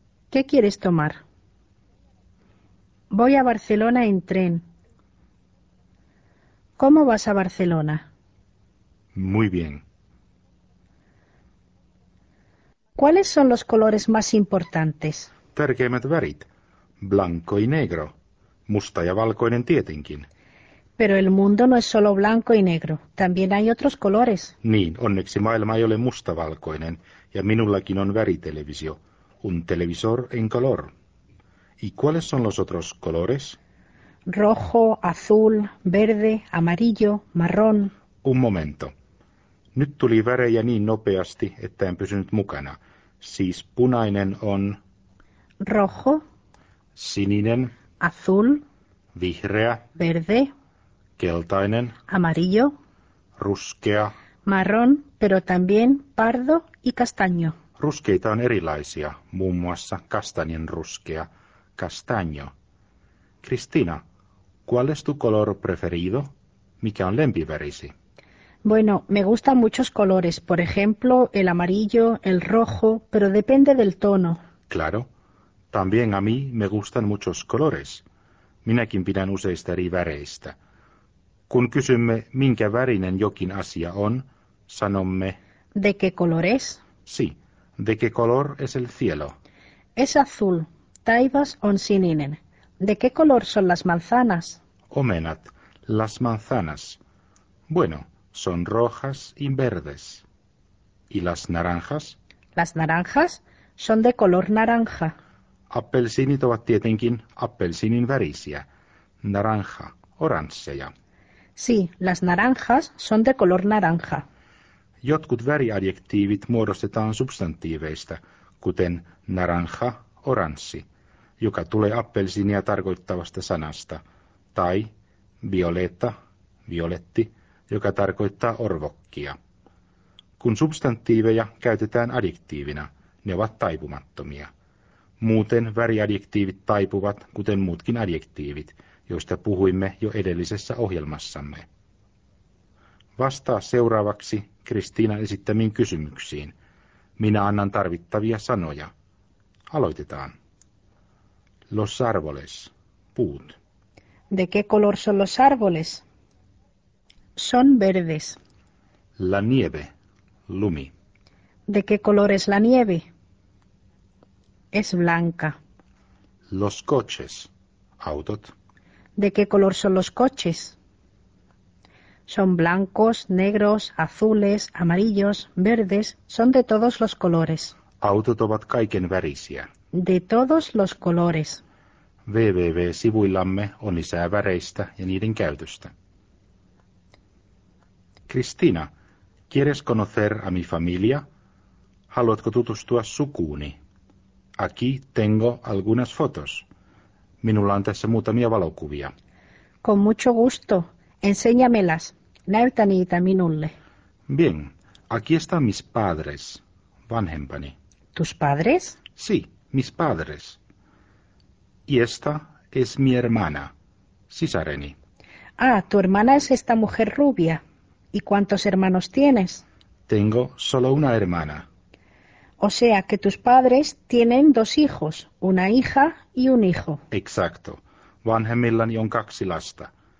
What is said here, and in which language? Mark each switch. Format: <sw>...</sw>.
<es>¿Qué quieres tomar? Voy a Barcelona en tren. ¿Cómo vas a Barcelona? Muy bien. ¿Cuáles son los colores más importantes?</es> <fi>Tärkeimmät värit.</fi> <es>Blanco y negro.</es> <fi>Musta ja valkoinen tietenkin.</fi> <es>Pero el mundo no es solo blanco y negro. También hay otros colores.</es> <fi>Niin, onneksi maailma ei ole mustavalkoinen. Ja minullakin on väritelevisio.</fi> <es>Un televisor en color. ¿Y cuáles son los otros colores? Rojo, azul, verde, amarillo, marrón. Un momento.</es> <fi>Nyt tuli värejä niin nopeasti, että en pysynyt mukana. Siis punainen on...</fi> <es>Rojo.</es> <fi>Sininen.</fi> <es>Azul.</es> <fi>Vihreä.</fi> <es>Verde.</es> <fi>Keltainen.</fi> <es>Amarillo.</es> <fi>Ruskea.</fi> <es>Marrón, pero también pardo y castaño.</es> <fi>Ruskeita on erilaisia, muun muassa kastanien ruskea.</fi> <es>Castaño. Cristina, ¿cuál es tu color preferido?</es> <fi>Mikä on lempivärisi?</fi> <es>Bueno, me gustan muchos colores, por ejemplo, el amarillo, el rojo, pero depende del tono. Claro, también a mí me gustan muchos colores.</es> <fi>Minäkin pidän useista eri väreistä. Kun kysymme, minkä värinen jokin asia on, sanomme...</fi> <es>¿De qué color es? Sí, ¿de qué color es el cielo? Es azul.</es> <fi>Taivas on sininen.</fi> <es>¿De qué color son las manzanas? Omenat, las manzanas. Bueno, son rojas y verdes. ¿Y las naranjas? Las naranjas son de color naranja.</es> <fi>Appelsiinit ovat tietenkin appelsiinin värisiä.</fi> <es>Naranja, oransseja. Sí, las naranjas son de color naranja.</es> <fi>Jotkut väriadjektiivit muodostetaan substantiiveista, kuten naranja, oranssi, joka tulee appelsiinia tarkoittavasta sanasta, tai violeta, violetti, joka tarkoittaa orvokkia. Kun substantiiveja käytetään adjektiivina, ne ovat taipumattomia. Muuten väriadjektiivit taipuvat, kuten muutkin adjektiivit, joista puhuimme jo edellisessä ohjelmassamme. Vastaa seuraavaksi Kristiinan esittämiin kysymyksiin. minä annan tarvittavia sanoja. Aloitetaan.</fi> <es>Los árboles,</es> <fi>puut.</fi> <es>¿De qué color son los árboles? Son verdes. La nieve, lumi. ¿De qué color es la nieve? Es blanca. Los coches, autot. ¿De qué color son los coches? Son blancos, negros, azules, amarillos, verdes, son de todos los colores.</es> <fi>Autot ovat kaiken värisiä.</fi> <es>De todos los colores.</es> <fi>www.sivuillamme on lisää väreistä ja niiden käytöstä.</fi> <es>Cristina, ¿quieres conocer a mi familia?</es> <fi>Haluatko tutustua sukuuni?</fi> <es>Aquí tengo algunas fotos.</es> <fi>Minulla on tässä muutamia valokuvia.</fi> <es>Con mucho gusto. Enséñamelas.</es> <fi>Näytä niitä minulle.</fi> <es>Bien. Aquí están mis padres. Vanhempani. ¿Tus padres? Sí, mis padres. Y esta es mi hermana, sisareni. Ah, tu hermana es esta mujer rubia. ¿Y cuántos hermanos tienes? Tengo solo una hermana. O sea que tus padres tienen dos hijos, una hija y un hijo. Exacto.</es> <fi>Vanhemmillani on kaksi lasta.</fi>